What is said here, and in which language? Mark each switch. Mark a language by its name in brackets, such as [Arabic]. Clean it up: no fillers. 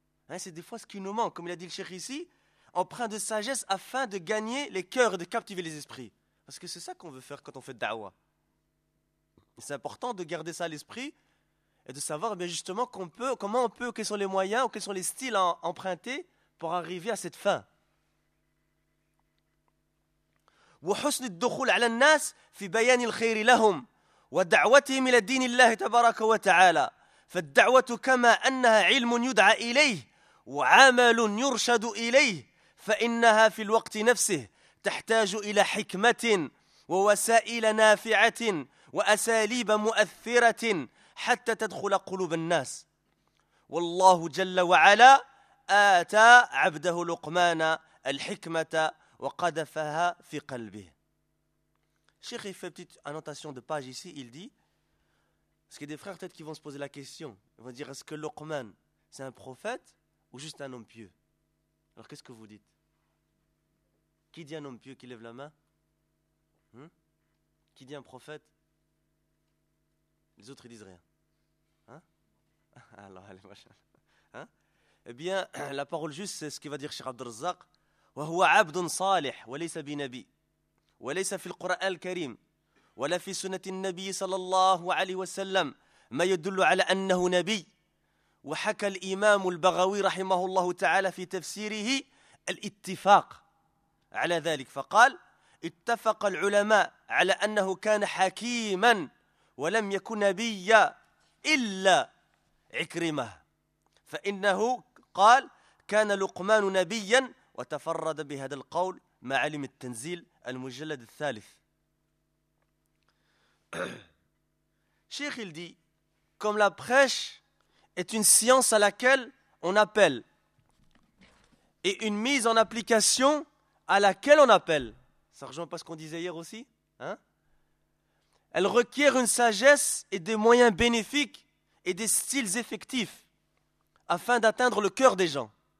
[French] Hein, c'est des fois ce qui nous manque, comme il a dit le Cheikh ici, emprunt de sagesse afin de gagner les cœurs et de captiver les esprits, parce que c'est ça qu'on veut faire quand on fait da'wa. C'est important de garder ça à l'esprit et de savoir bien justement comment on peut, quels sont les moyens ou quels sont les styles à emprunter pour arriver à cette fin. [Arabic] وحسن الدخول على الناس في بيان الخير لهم ودعوتهم إلى دين الله تبارك وتعالى. فالدعوة كما أنها علم يدعى إليه وعمل يرشد إليه، فإنها في الوقت نفسه تحتاج إلى حكمة ووسائل نافعة وأساليب مؤثرة حتى تدخل قلوب الناس. والله جل وعلا آتى عبده لقمان الحكمة وقذفها في قلبه. [French] Cheikh, il fait une petite annotation de page ici, il dit, parce qu'il y a des frères peut-être qui vont se poser la question, ils vont dire, est-ce que Luqman, c'est un prophète ou juste un homme pieux? Alors qu'est-ce que vous dites? Qui dit un homme pieux qui lève la main? Qui dit un prophète? Les autres, ils disent rien. Alors, allez, machin. Eh bien, la parole juste, c'est ce qu'il va dire Cheikh Abdelrazzaq, [Arabic] « وهو عبد صالح وليس بنبي » وليس في القرآن الكريم ولا في سنة النبي صلى الله عليه وسلم ما يدل على أنه نبي. وحكى الإمام البغوي رحمه الله تعالى في تفسيره الاتفاق على ذلك، فقال اتفق العلماء على أنه كان حكيما ولم يكن نبيا إلا عكرمة، فإنه قال كان لقمان نبيا وتفرد بهذا القول مع علم التنزيل المجلد الثالث. [French] Cheikh, il dit, comme la prêche est une science à laquelle on appelle et une mise en application à laquelle on appelle, ça rejoint pas ce qu'on disait hier aussi, hein? Elle requiert une sagesse et des moyens bénéfiques et des styles effectifs afin d'atteindre le cœur des gens.